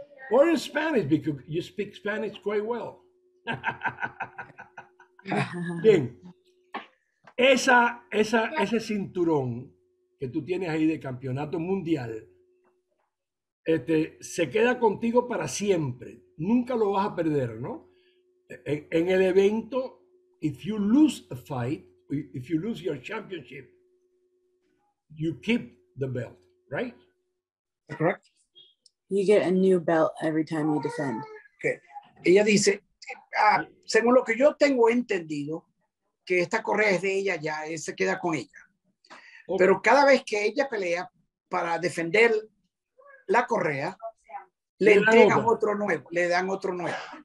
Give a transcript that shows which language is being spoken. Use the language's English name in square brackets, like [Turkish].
[English] Or in Spanish, because you speak Spanish quite well. [Spanish] Bien. Ese cinturón que tú tienes ahí de campeonato mundial, se queda contigo para siempre. Nunca lo vas a perder, ¿no? En el evento... [English] If you lose a fight, if you lose your championship, you keep the belt, right? Correct. You get a new belt every time you defend. Okay. [Spanish] Ella dice, según lo que yo tengo entendido, que esta correa es de ella ya, se queda con ella. Okay. Pero cada vez que ella pelea para defender la correa, le entregan otro nuevo, le dan otro nuevo.